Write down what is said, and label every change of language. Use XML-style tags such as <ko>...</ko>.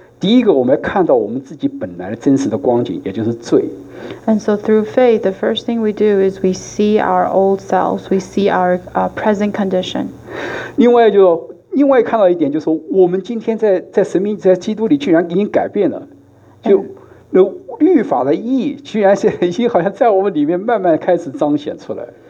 <zh>第一个，我们要看到我们自己本来真实的光景，也就是罪。</zh> <en>And so through faith, the first thing we do is we see our old selves, we see our present condition.</en> <zh>另外看到一点，就是我们今天在神面在基督里居然已经改变了，就那律法的义居然是已经好像在我们里面慢慢开始彰显出来。</zh>